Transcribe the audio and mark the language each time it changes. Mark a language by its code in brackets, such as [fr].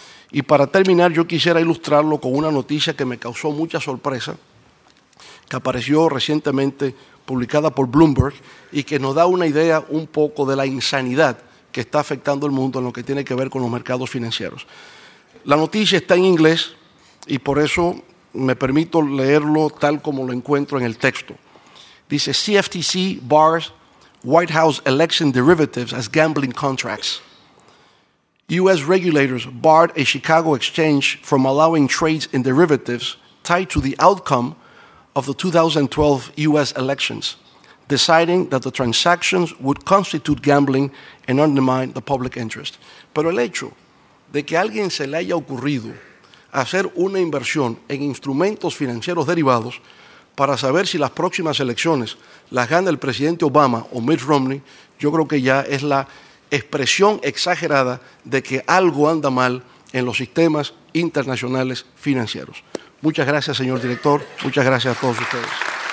[es] Y para terminar, yo quisiera ilustrarlo con una noticia que me causó mucha sorpresa, que apareció recientemente publicada por Bloomberg y que nos da una idea un poco de la insanidad que está afectando el mundo en lo que tiene que ver con los mercados financieros. La noticia está en inglés y por eso me permito leerlo tal como lo encuentro en el texto. [en] Dice: CFTC bars White House election derivatives as gambling contracts. U.S. regulators barred a Chicago exchange from allowing trades in derivatives tied to the outcome of the 2012 U.S. elections, deciding that the transactions would constitute gambling and undermine the public interest. [es] Pero el hecho de que a alguien se le haya ocurrido hacer una inversión en instrumentos financieros derivados para saber si las próximas elecciones las gana el presidente Obama o Mitt Romney, yo creo que ya es la expresión exagerada de que algo anda mal en los sistemas internacionales financieros. Muchas gracias, señor director. Muchas gracias a todos ustedes.